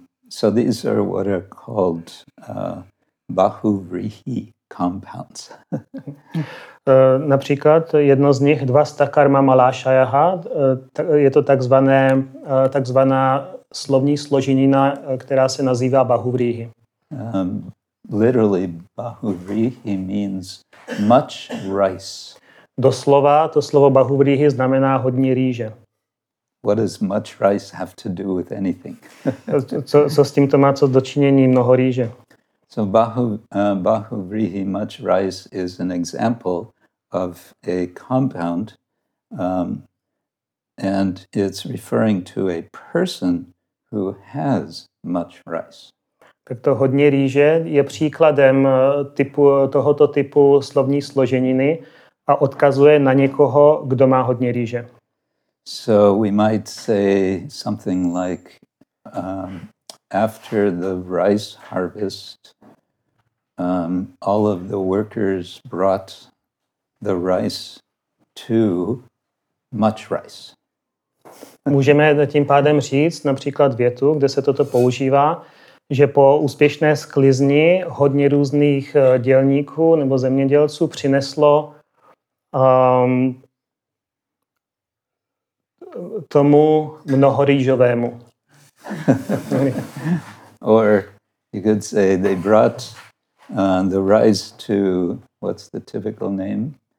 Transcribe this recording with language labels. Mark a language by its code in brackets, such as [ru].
[en] So these are what are called bahuvrihi compounds. [cs] Například jedno z nich, dvasta karma malashaya, je to takzvaná slovní složenina, která se nazývá bahuvrihi. [en] Literally, bahuvrihi means much rice. [cs] Doslova, to slovo bahuvrihi znamená hodně rýže. [en] What does much rice have to do with anything? [cs] co s tím to má co dočinění mnoho rýže? [en] So bahuvrihi, much rice, is an example of a compound, and it's referring to a person who has much rice. [cs] Tak to hodně rýže je příkladem typu, tohoto typu slovní složeniny a odkazuje na někoho, kdo má hodně rýže. [en] So we might say something like after the rice harvest, all of the workers brought the rice to much rice. [cs] Můžeme tím pádem říct například větu, kde se toto používá, že po úspěšné sklizni hodně různých dělníků nebo zemědělců přineslo tomu mnoho rýžovému. [en] Or you could say they brought the rice to, what's the typical name?